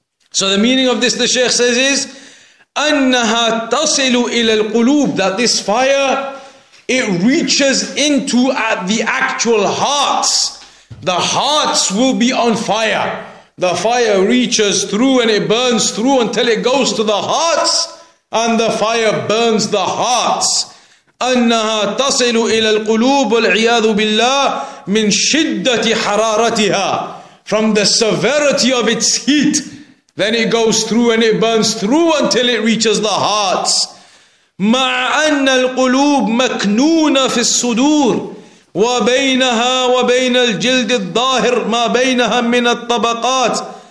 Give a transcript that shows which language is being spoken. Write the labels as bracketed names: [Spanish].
[English] So the meaning of this, the Shaykh says, is [Arabic] أنها تصل إلى القلوب. [English] That this fire, it reaches into at the actual hearts. The hearts will be on fire. The fire reaches through and it burns through until it goes to the hearts. And the fire burns the hearts. [Arabic] أنها تصل إلى القلوب والعياذ بالله من شدة حرارتها. [English] From the severity of its heat. Then it goes through and it burns through until it reaches the hearts. [Arabic] مع أن القلوب مكنونة في الصدور وبينها وبين الجلد الظاهر ما بينها من الطبقات.